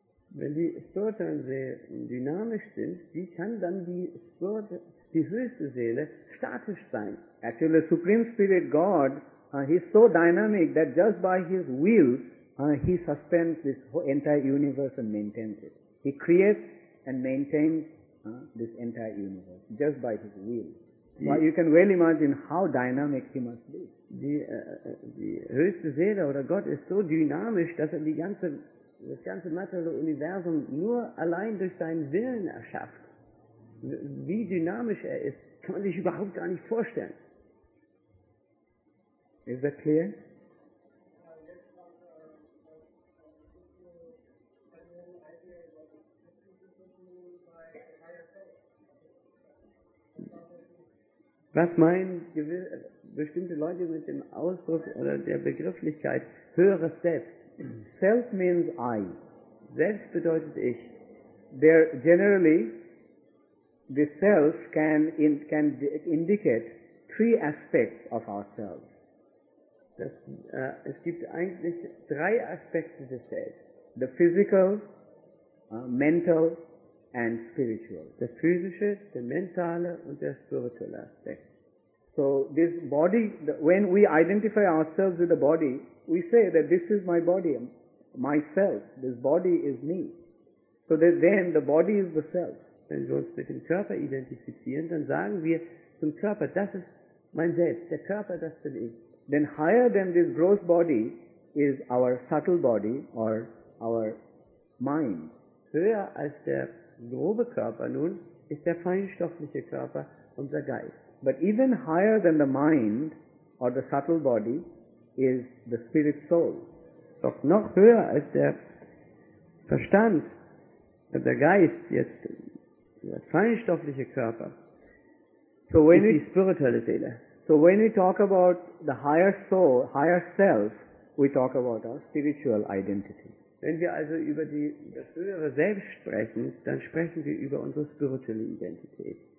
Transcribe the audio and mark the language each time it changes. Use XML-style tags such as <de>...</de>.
<de>Wenn die spirituellen Seelen dynamisch sind, wie kann dann die höchste Seele statisch sein?</de> <en>Actually, the supreme spirit God, he is so dynamic that just by his will, he suspends this entire universe and maintains it. He creates and maintains this entire universe just by his will. Well, you can well imagine how dynamic he must be.</en> <de>Die höchste Seele oder Gott ist so dynamisch, dass er das ganze materielle Universum nur allein durch seinen Willen erschafft. Wie dynamisch er ist, kann man sich überhaupt gar nicht vorstellen.</de> <en>Is that clear?</en> <de>Was meinen bestimmte Leute mit dem Ausdruck oder der Begrifflichkeit höheres Selbst?</de> <en>Self means I.</en> <de>Selbst bedeutet ich.</de> <en>There generally the self can indicate three aspects of ourselves.</en> <de>Es gibt eigentlich drei Aspekte des Selbst.</de> <en>The physical, mental and spiritual.</en> <de>Der physische, der mentale und der spirituelle Aspekt.</de> <en>So this body, when we identify ourselves with the body, we say that this is my body, myself, this body is me. So that then the body is the self.</en> <de>Wenn wir uns mit dem Körper identifizieren, dann sagen wir zum Körper, das ist mein Selbst, der Körper, das bin ich.</de> <en>Then higher than this gross body is our subtle body or our mind.</en> <de>Höher als der grobe Körper nun ist der feinstoffliche Körper, unser Geist.</de> <en>But even higher than the mind or the subtle body is the spirit soul.</en> <de>Doch noch höher als der Verstand, der Geist, jetzt der feinstoffliche Körper,</de> <en>so when</en> <de>ist die spirituelle Seele.</de> <en>So when we talk about the higher soul, higher self, we talk about our spiritual identity.</en> <de>Wenn wir also über das höhere Selbst sprechen, dann sprechen wir über unsere spirituelle Identität.</de>